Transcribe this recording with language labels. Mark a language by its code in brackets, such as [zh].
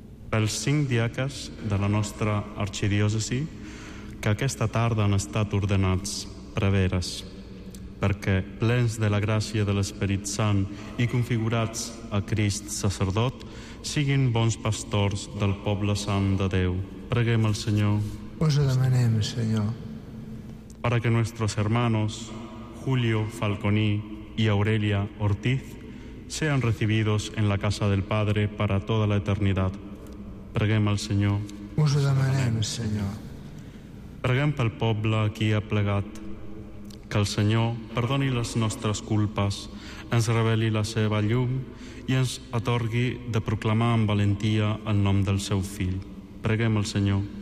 [ca] Pels 5 diaques de la nostra arxidiòcesi, que aquesta tarda han estat ordenats preveres, perquè, plens de la gràcia de l'Esperit Sant i configurats a Crist sacerdot, siguin bons pastors del poble sant de Déu. Preguem al Senyor. Us ho demanem, Senyor. [es] Para que nuestros hermanos Julio Falconí y Aurelia Ortiz sean recibidos en la casa del Padre para toda la eternidad. [ca] Preguem al Senyor. Us ho demanem, Senyor. Preguem pel poble qui ha plegat. Que el Senyor perdoni les nostres culpes, ens reveli la seva llum i ens atorgui de proclamar amb valentia el nom del seu fill. Preguem al Senyor.